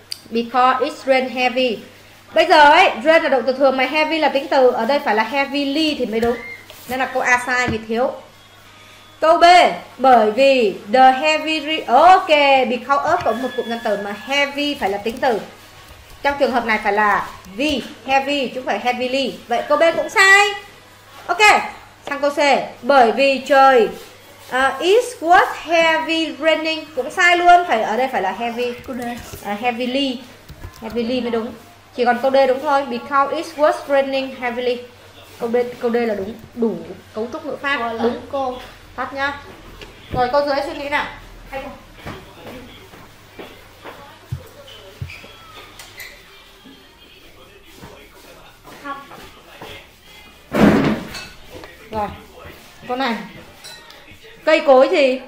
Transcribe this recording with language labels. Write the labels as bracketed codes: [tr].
[en] Because it's rain heavy. [vi] Bây giờ ấy, rain là động từ thường mà heavy là tính từ, ở đây phải là heavily thì mới đúng. Nên là câu A sai vì thiếu. Câu B, bởi vì the heavy ok, because of cũng một cụm danh từ mà heavy phải là tính từ. Trong trường hợp này phải là vì heavy chứ không phải heavily. Vậy câu B cũng sai. Ok, sang câu C. Bởi vì trời [en] it was heavy raining. [vi] Cũng sai luôn, phải ở đây phải là heavy. Heavily. Heavily mới đúng. Chỉ còn câu D đúng thôi. [en] Because it was raining heavily. [vi] Câu D là đúng. Đủ cấu trúc ngữ pháp. Đúng cô. Tắt nhá. Rồi câu dưới suy nghĩ nào. Rồi, con này. Cây cối gì?